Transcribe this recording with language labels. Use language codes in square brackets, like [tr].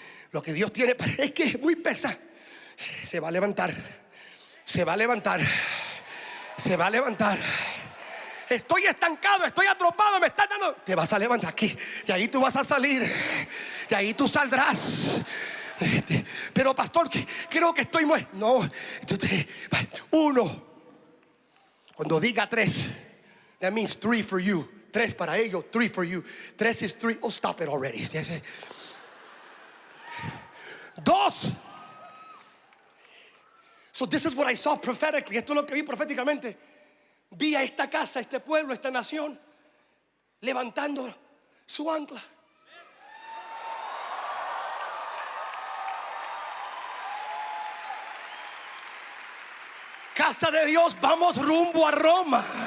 [es] Lo que Dios tiene para, es que es muy pesa. Se va a levantar. Se va a levantar. Se va a levantar. Estoy estancado, estoy atropado. Me están dando. Te vas a levantar aquí. De ahí tú vas a salir. De ahí tú saldrás. Pero pastor, creo que estoy muerto. No. Entonces, uno. Cuando diga tres, [en] that means three for you. [es] Tres para ellos, [en] three for you. Tres is three. Oh, stop it already. [es] Dos. [en] So this is what I saw prophetically. [es] Esto es lo que vi proféticamente. Vi a esta casa, este pueblo, esta nación levantando su ancla. Casa de Dios, vamos rumbo a Roma.